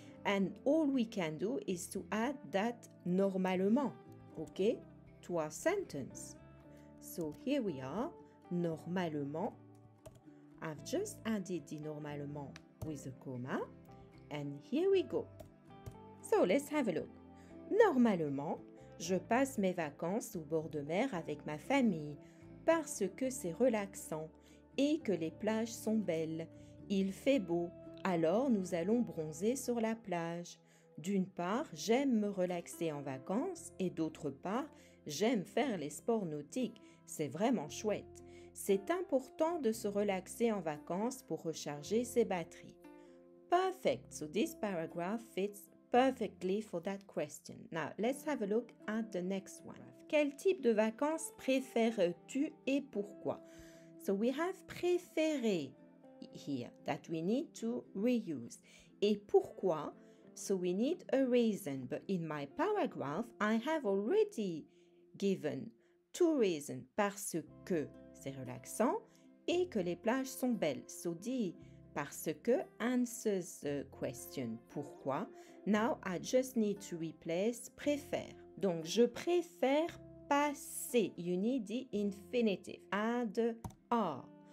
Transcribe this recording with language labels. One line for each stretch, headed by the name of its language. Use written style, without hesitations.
English: And all we can do is to add that normalement, okay, to our sentence. So here we are, normalement. I've just added the normalement with a comma. And here we go. So let's have a look.
French: Normalement, je passe mes vacances au bord de mer avec ma famille parce que c'est relaxant et que les plages sont belles. Il fait beau, alors nous allons bronzer sur la plage. D'une part, j'aime me relaxer en vacances et d'autre part, j'aime faire les sports nautiques. C'est vraiment chouette. C'est important de se relaxer en vacances pour recharger ses batteries.
English: Perfect. So this paragraph fits perfectly for that question. Now, let's have a look at the next one.
French: Quel type de vacances préfères-tu et pourquoi?
English: So we have préféré here that we need to reuse.
French: Et pourquoi?
English: So we need a reason. But in my paragraph, I have already given 2 reasons.
French: Parce que c'est relaxant et que les plages sont belles.
English: So dit parce que answers the question pourquoi. Now I just need to replace préfère.
French: Donc je préfère passer.
English: You need the infinitive. Add a.